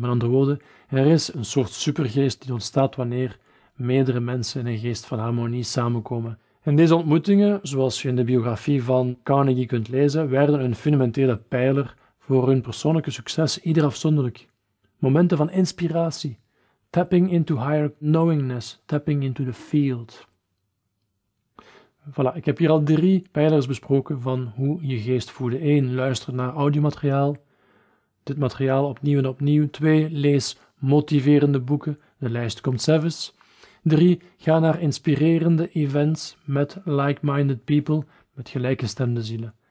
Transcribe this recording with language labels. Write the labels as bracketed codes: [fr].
[nl] Met andere woorden, er is een soort supergeest die ontstaat wanneer meerdere mensen in een geest van harmonie samenkomen. En deze ontmoetingen, zoals je in de biografie van Carnegie kunt lezen, werden een fundamentele pijler voor hun persoonlijke succes, ieder afzonderlijk. Momenten van inspiratie. [en] Tapping into higher knowingness, tapping into the field. [nl] Voilà, ik heb hier al 3 pijlers besproken van hoe je geest voeden. 1. Luister naar audiomateriaal, dit materiaal opnieuw en opnieuw. 2. Lees motiverende boeken, de lijst komt zelf eens. 3. Ga naar inspirerende events met [en] like-minded people, [nl] met gelijkgestemde zielen.